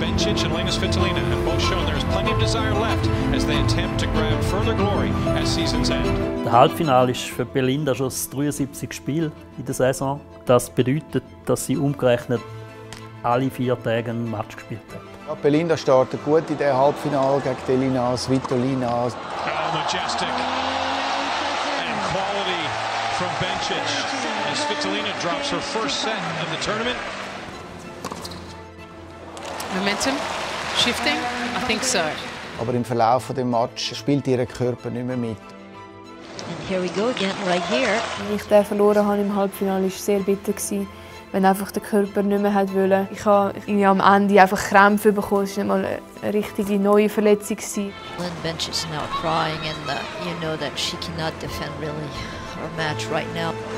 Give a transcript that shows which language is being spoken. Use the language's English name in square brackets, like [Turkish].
[English] And Lena Svitolina have both shown there is plenty of desire left as they attempt to grab further glory as seasons end. [German] Das Halbfinale ist für Belinda schon das 73. Spiel in der Saison. Das bedeutet, dass sie umgerechnet alle vier Tage ein Match gespielt hat. Ja, Belinda startet gut in der Halbfinale gegen Lena Svitolina. [English] Oh, majestic and quality from Bencic as Svitolina drops her first set of the tournament. Momentum? Shifting? I think so. [German] Aber im Verlauf des Matches spielt ihr Körper nicht mehr mit. [English] And here we go again, right here. [German] Als ich den verloren habe im Halbfinale, war es sehr bitter, wenn einfach der Körper nicht mehr hat wollen. Ich habe am Ende einfach Krämpfe bekommen. Es war nicht mal eine richtige neue Verletzung. [English] Lynn Bench is now crying and you know that she cannot defend really her match right now.